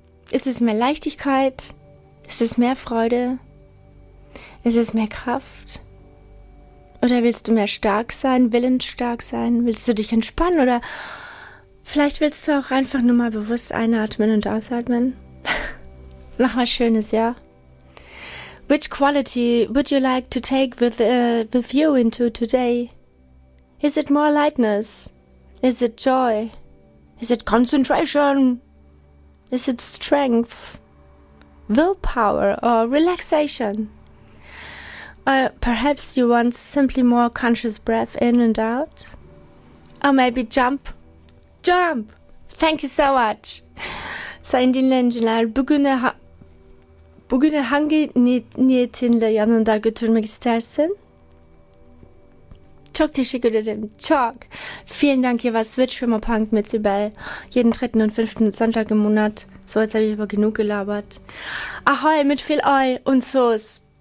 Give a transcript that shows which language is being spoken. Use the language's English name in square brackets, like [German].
[German] Ist es mehr Leichtigkeit? Ist es mehr Freude? Ist es mehr Kraft? Oder willst du mehr stark sein, willensstark sein? Willst du dich entspannen? Oder vielleicht willst du auch einfach nur mal bewusst einatmen und ausatmen? Mach was Schönes, ja? [English] Which quality would you like to take with you into today? Is it more lightness? Is it joy? Is it concentration? Is it strength? Willpower or relaxation? Perhaps you want simply more conscious breath in and out. Or maybe jump. Jump! Thank you so much. [Turkish] Sayın dinleyiciler, bugüne hangi niyetinle yanında götürmek istersin? Çok teşekkür ederim. Çok. [German] Vielen Dank, hier war Switch from a Punk mit Sibel. Jeden 3. und 5. Sonntag im Monat. So, jetzt habe ich aber genug gelabert. Ahoi mit viel Oi und Soos.